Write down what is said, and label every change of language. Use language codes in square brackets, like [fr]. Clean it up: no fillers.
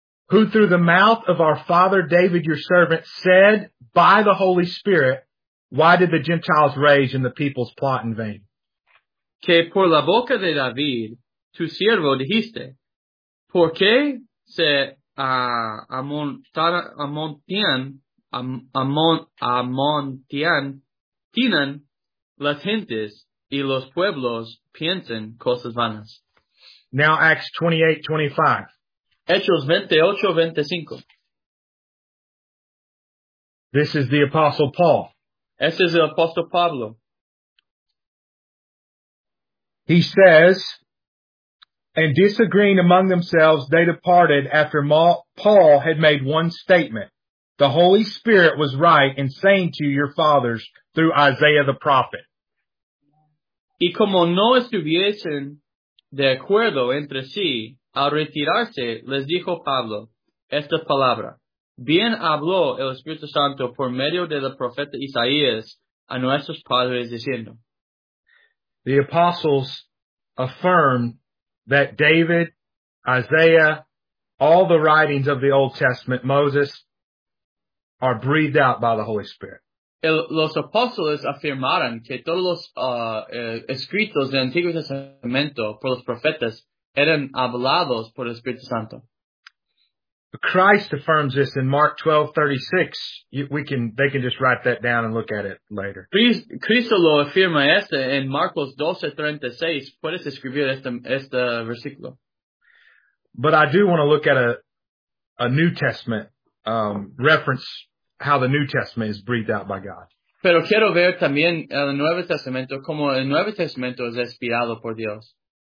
[en] Who through the mouth of our father David, your servant, said by the Holy Spirit, why did the Gentiles rage and the people's plot in vain? [es] Que por la boca de David, tu siervo, dijiste, ¿por qué se amontinan las gentes y los pueblos piensan cosas vanas? [en] Now Acts 28:25. [es] Hechos 28:25. [en] This is the Apostle Paul. [es] Este es el Apostle Pablo. [en] He says, and disagreeing among themselves, they departed after Paul had made one statement. The Holy Spirit was right in saying to your fathers through Isaiah the prophet. [es] Y como no estuviesen de acuerdo entre sí, al retirarse les dijo Pablo esta palabra. Bien habló el Espíritu Santo por medio de la profeta Isaías a nuestros padres diciendo. [en] The apostles affirmed that David, Isaiah, all the writings of the Old Testament, Moses, are breathed out by the Holy Spirit. [es] Los apóstoles afirmaron que todos los escritos del Antiguo Testamento por los profetas eran hablados por el Espíritu Santo. [en] Christ affirms this in Mark 12:36. They can just write that down and look at it later. [es] Cristo lo afirma esto en Marcos 12:36. Puedes escribir este versículo. [en] But I do want to look at a New Testament reference, how the New Testament is breathed out by God. [es] Pero quiero ver también el Nuevo Testamento, como el Nuevo Testamento es inspirado por Dios.